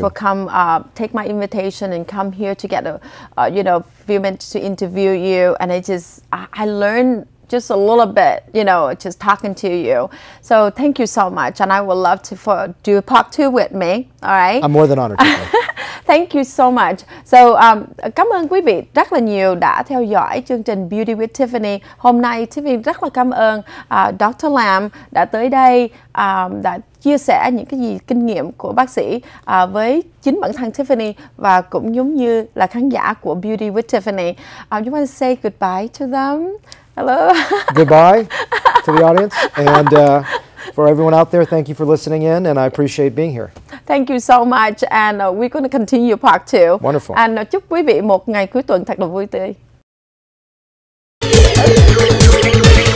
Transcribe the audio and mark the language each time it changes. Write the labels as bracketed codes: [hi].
[en] For come take my invitation and come here to get a you know, few minutes to interview you. And it just, I learned just a little bit, you know, just talking to you. So thank you so much. And I would love to for do a part two with me. All right. I'm more than honored to. Thank you so much. [vi] So cảm ơn quý vị rất là nhiều đã theo dõi chương trình Beauty with Tiffiny. Hôm nay Tiffiny rất là cảm ơn Dr. Lam đã tới đây, đã chia sẻ những cái gì kinh nghiệm của bác sĩ với chính bản thân Tiffiny và cũng giống như là khán giả của Beauty with Tiffiny. [en] You want to say goodbye to them? Hello. Goodbye to the audience. And for everyone out there, thank you for listening in, and I appreciate being here. Thank you so much, and we're going to continue part two. Wonderful. [vi] And chúc quý vị một ngày cuối tuần thật là vui tươi.